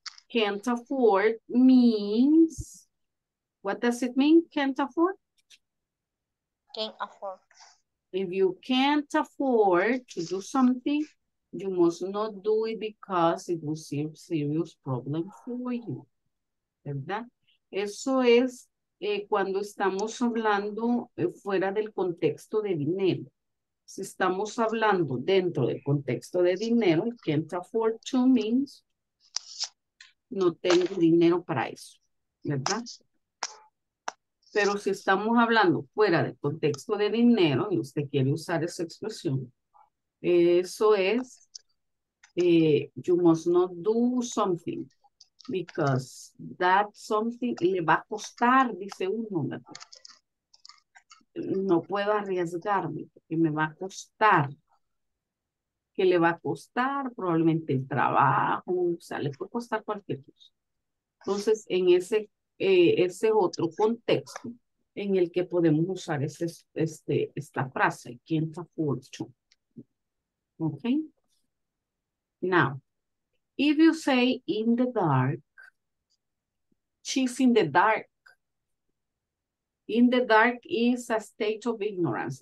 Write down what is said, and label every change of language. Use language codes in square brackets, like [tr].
[en] Can't afford means, what does it mean, can't afford? Can't afford. If you can't afford to do something, you must not do it because it will be a serious problem for you. [es] ¿Verdad? Eso es cuando estamos hablando fuera del contexto de dinero. Si estamos hablando dentro del contexto de dinero, [en] can't afford to means, [es] no tengo dinero para eso, ¿verdad? Pero si estamos hablando fuera del contexto de dinero y usted quiere usar esa expresión, eso es, [en] you must not do something because that something [es] le va a costar, dice uno. ¿Verdad? No puedo arriesgarme porque me va a costar. ¿Qué le va a costar? Probablemente el trabajo, o sea, le puede costar cualquier cosa. Entonces, en ese, ese otro contexto en el que podemos usar ese, este, esta frase, [en] can't afford to. [es] Okay? [en] Now, if you say in the dark, she's in the dark. In the dark is a state of ignorance.